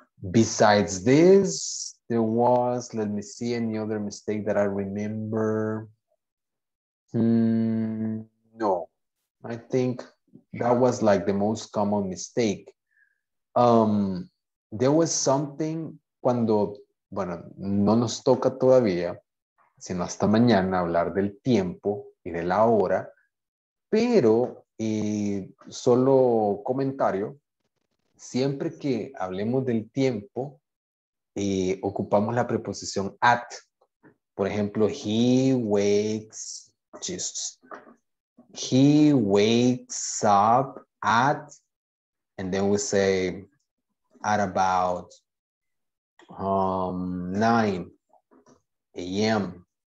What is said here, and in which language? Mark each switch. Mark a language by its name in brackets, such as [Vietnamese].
[English] Besides this, there was, let me see, any other mistake that I remember. No, I think that was like the most common mistake. There was something [Spanish] cuando, bueno, no nos toca todavía, sino hasta mañana hablar del tiempo y de la hora, pero solo comentario, siempre que hablemos del tiempo, ocupamos la preposición at. Por ejemplo, [English] he wakes, Jesus. he wakes up at, and then we say at about 9 a.m.